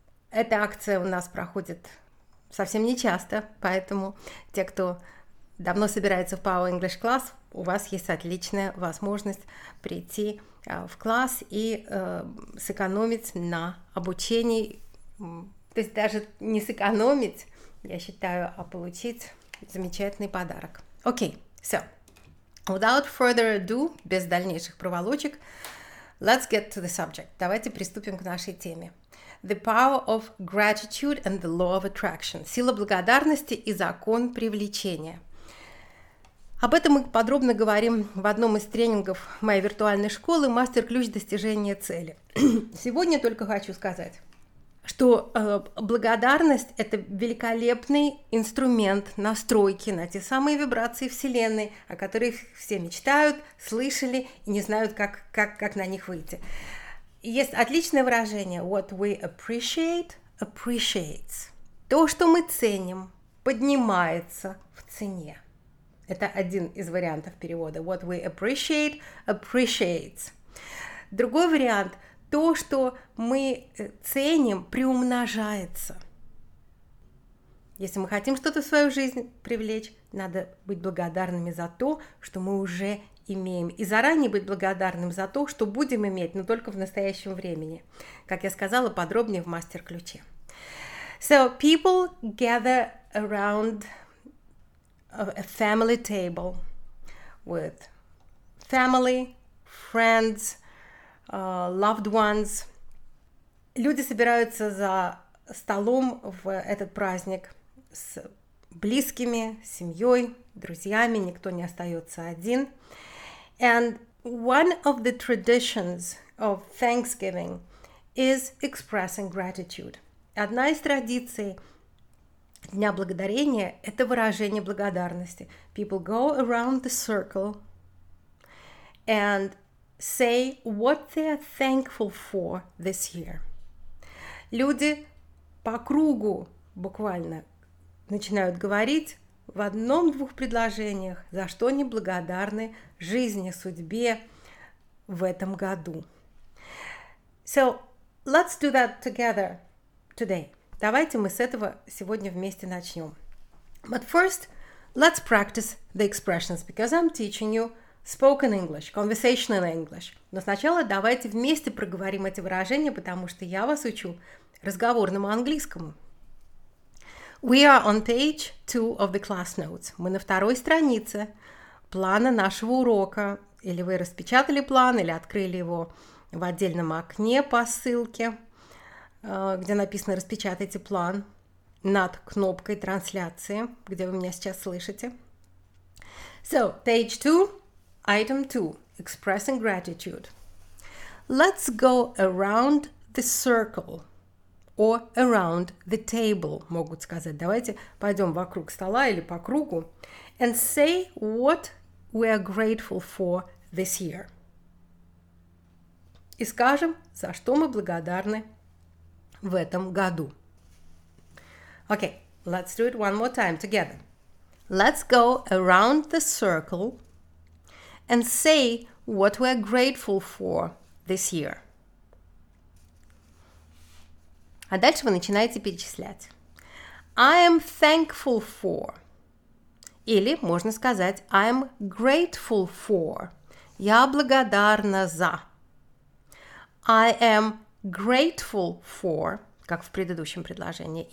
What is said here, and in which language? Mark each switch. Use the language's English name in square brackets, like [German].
[Russian] Эта акция у нас проходит совсем нечасто, поэтому те, кто давно собирается в Power English Class, у вас есть отличная возможность прийти в класс и сэкономить на обучении. То есть даже не сэкономить, я считаю, а получить замечательный подарок. Окей, [English] okay, so, without further ado, [Russian] без дальнейших проволочек, [English] let's get to the subject. [Russian] Давайте приступим к нашей теме. [English] The power of gratitude and the law of attraction. [Russian] Сила благодарности и закон привлечения. Об этом мы подробно говорим в одном из тренингов моей виртуальной школы «Мастер-ключ достижения цели». Сегодня только хочу сказать, что благодарность – это великолепный инструмент настройки на те самые вибрации Вселенной, о которых все мечтают, слышали и не знают, как на них выйти. Есть отличное выражение [English] «what we appreciate appreciates». [Russian] То, что мы ценим, поднимается в цене. Это один из вариантов перевода. [English] What we appreciate, appreciates. [Russian] Другой вариант. То, что мы ценим, приумножается. Если мы хотим что-то в свою жизнь привлечь, надо быть благодарными за то, что мы уже имеем. И заранее быть благодарным за то, что будем иметь, но только в настоящем времени. Как я сказала, подробнее в мастер-ключе. [English] So, people gather around a family table with family, friends, loved ones. [Russian] Люди собираются за столом в этот праздник с близкими, семьей, друзьями, никто не остается один. [English] And one of the traditions of Thanksgiving is expressing gratitude. [Russian] Одна из традиций Дня Благодарения – это выражение благодарности. [English] People go around the circle and say what they are thankful for this year. [Russian] Люди по кругу буквально начинают говорить в одном-двух предложениях, за что они благодарны жизни, судьбе в этом году. [English] So, let's do that together today. [Russian] Давайте мы с этого сегодня вместе начнем. [English] But first, let's practice the expressions, because I'm teaching you spoken English, conversational English. [Russian] Но сначала давайте вместе проговорим эти выражения, потому что я вас учу разговорному английскому. [English] We are on page 2 of the class notes. [Russian] Мы на второй странице плана нашего урока. Или вы распечатали план, или открыли его в отдельном окне по ссылке, где написано «Распечатайте план» над кнопкой трансляции, где вы меня сейчас слышите. [English] So, page 2, item 2, expressing gratitude. Let's go around the circle. Or around the table, [Russian] могут сказать. Давайте пойдем вокруг стола или по кругу. [English] And say what we are grateful for this year. [Russian] И скажем, за что мы благодарны в этом году. [English] Okay, let's do it one more time together. Let's go around the circle and say what we are grateful for this year. [Russian] А дальше вы начинаете перечислять. [English] I am thankful for. [Russian] Или можно сказать [English] I am grateful for. [Russian] Я благодарна за. [English] I am grateful for, [Russian] как в предыдущем предложении.